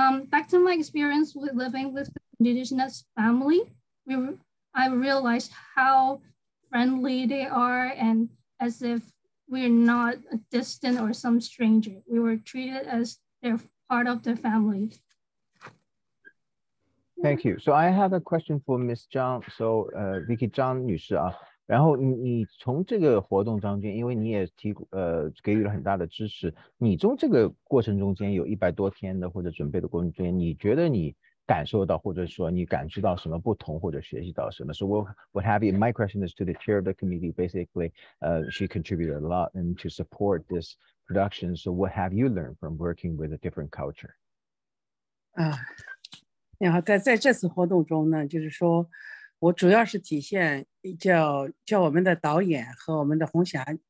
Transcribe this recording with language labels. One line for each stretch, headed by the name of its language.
English: Back to my experience with living with the indigenous family, I realized how friendly they are, and as if we're not a distant or some stranger. We were treated as they're part of the family. Thank you. So I have a question for Ms. Zhang.
Chinese: So Vickie Zhang 女士啊，然后你从这个活动中间，因为你也给予了很大的支持，你从这个过程中间有100多天的或者准备的过程中间，你觉得你感受到或者说你感知到什么不同或者学习到什么。
English: So what have you, my question is to the chair of the committee, basically, she contributed a lot and to support this production. So what have you learned from working with a different culture?
Chinese: 然后在这次活动中呢，就是说我主要是体现叫我们的导演和我们的红霞